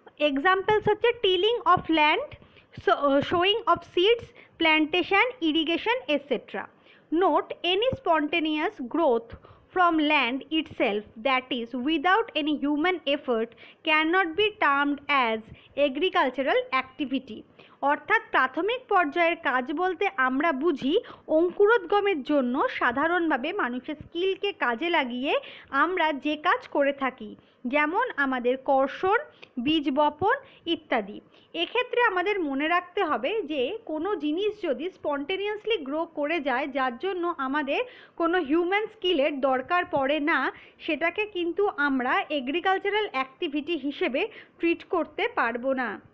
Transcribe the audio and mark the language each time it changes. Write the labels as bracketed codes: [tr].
[en] Examples হচ্ছে tilling of land, sowing of seeds, plantation, irrigation etcetera. Note, any spontaneous growth from land itself, that is without any human effort, cannot be termed as agricultural activity. [bn] অর্থাৎ প্রাথমিক পর্যায়ের কাজ বলতে আমরা বুঝি অঙ্কুরোদ্গমের জন্য সাধারণভাবে মানুষের স্কিলকে কাজে লাগিয়ে আমরা যে কাজ করে থাকি, যেমন আমাদের কর্ষণ, বীজ বপন ইত্যাদি। এক্ষেত্রে আমাদের মনে রাখতে হবে যে কোনো জিনিস যদি স্পন্টেনিয়াসলি গ্রো করে যায় যার জন্য আমাদের কোনো হিউম্যান স্কিলের দরকার পড়ে না, সেটাকে কিন্তু আমরা এগ্রিকালচারাল অ্যাক্টিভিটি হিসেবে ট্রিট করতে পারবো না।